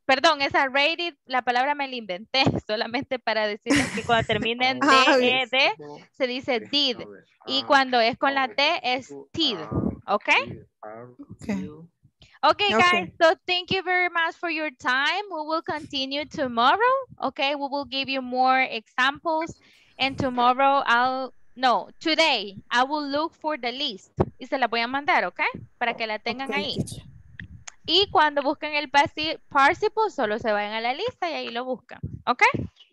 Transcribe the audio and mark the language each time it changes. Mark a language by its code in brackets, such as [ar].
[es] Perdón, esa rated, la palabra me la inventé solamente para decirles que cuando termina en D-E-D, se dice did. Y cuando es con la T, es did, okay? [en] Okay. Okay, guys, okay. So thank you very much for your time. We will continue tomorrow, okay? We will give you more examples. And tomorrow, today, I will look for the list. [es] Y se la voy a mandar, okay? Para que la tengan okay. ahí. Y cuando busquen el participle, solo se vayan a la lista y ahí lo buscan, okay?